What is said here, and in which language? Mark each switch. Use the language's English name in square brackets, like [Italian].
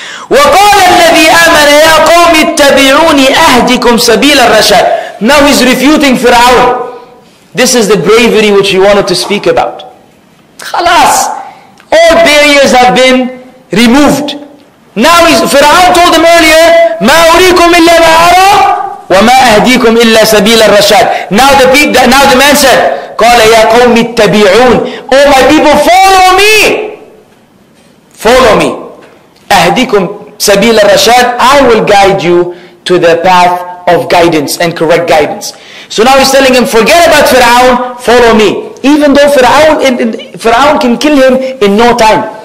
[Arabic] وَقَالَ الَّذِي آمَنَ يَا قَوْمِ اتَّبِعُونِ أَهْدِكُمْ سَبِيلَ الرَّشَادِ. [English] Now he's refuting Fir'aun. This is the bravery which he wanted to speak about. [Arabic] خلاص. [English] All barriers have been removed. Now Fir'aun told him earlier, [Arabic] مَا أُرِيكُمْ إِلَّا مَا أَرَى وَمَا أَهْدِيكُمْ إِلَّا سَبِيلَ الرَّشَادِ. [English] Now the man said, [Arabic] قَالَ يَا قَوْمِ اتَّبِعُونَ. [English] Oh my people, follow me. Follow me. [Arabic] أَهْدِكُمْ سَبِيلَ الرَّشَادِ. [English] I will guide you to the path of guidance and correct guidance. So now he's telling him, forget about Fir'aun, follow me. Even though Fir'aun can kill him in no time.